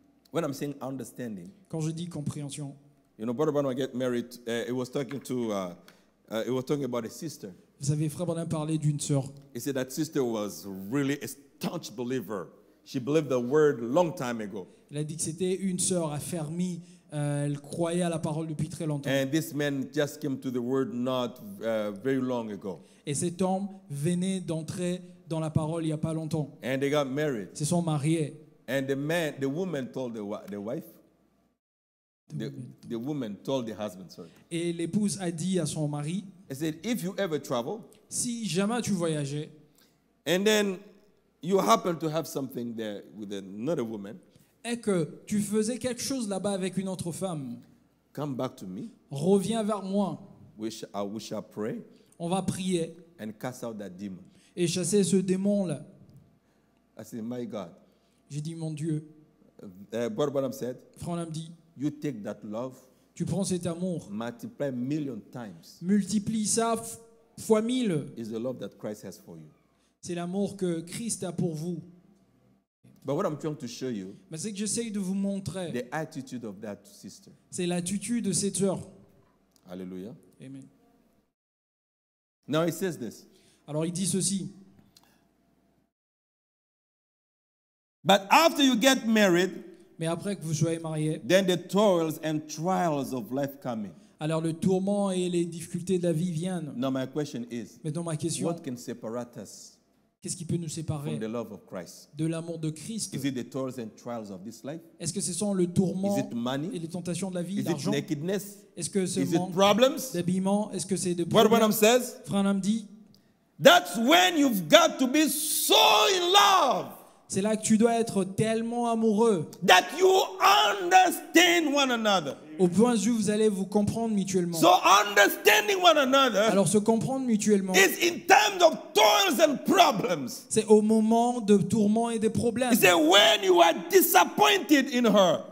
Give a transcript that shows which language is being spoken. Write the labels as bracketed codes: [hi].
[en] When I'm saying understanding, [fr] quand je dis compréhension, [en] you know, Brother Branham get married. He was talking to, he was talking about a sister. [fr] Vous savez, Frère Branham parlait d'une sœur. [en] He said that sister was really a staunch believer. She believed the word long time ago. [fr] Elle a dit que c'était une sœur affermie. Elle croyait à la parole depuis très longtemps. [en] And this man just came to the word not very long ago. [fr] Et cet homme venait d'entrer dans la parole il y a pas longtemps. [en] And they got married. [fr] Se sont mariés. [en] And the woman told the husband. [fr] Et l'épouse a dit à son mari. [en] I said, if you ever travel, [fr] si jamais tu voyageais, [en] and then you happen to have something there with another woman, [fr] et que tu faisais quelque chose là-bas avec une autre femme, [en] come back to me, [fr] reviens vers moi, [en] we shall pray, [fr] on va prier, [en] and cast out that demon, [fr] et chasser ce démon là. [en] I said, my God. [fr] J'ai dit, mon Dieu. Frère Branham dit, [en] you take that love, [fr] tu prends cet amour, [en] multiply million times, [fr] multiplie ça fois mille. [en] Is the love that Christ has for you. [fr] C'est l'amour que Christ a pour vous. [en] But what I'm trying to show you, [fr] mais c'est que j'essaye de vous montrer, [en] the attitude of that sister. [fr] C'est l'attitude de cette sœur. [en] Alléluia. [fr] Amen. [en] Now he says this. [fr] Alors il dit ceci. [en] But after you get married, [fr] mais après que vous soyez marié, [en] then the toils and trials of life come in. [fr] Alors le tourment et les difficultés de la vie viennent. [en] Now my question is, [fr] maintenant ma question, [en] what can separate us, [fr] qu'est-ce qui peut nous séparer, [en] from the love of Christ, [fr] de l'amour de Christ? [en] Is it the toils and trials of this life? [fr] Est-ce que ce sont le tourment, [en] is it money, [fr] et les tentations de la vie, [en] is [fr] l'argent, [en] it nakedness, [fr] est-ce que ce [en] is it problems, [fr] d'habillement, est-ce que c'est de problèmes? Branham dit, [en] that's when you've got to be so in love. [fr] C'est là que tu dois être tellement amoureux. [en] That you understand one another. [fr] Au point où vous allez vous comprendre mutuellement. [en] So understanding one another. [fr] Alors se comprendre mutuellement. [en] Is in terms of toils and problems. [fr] C'est au moment de tourments et des problèmes. [en] Is it when you are disappointed in her.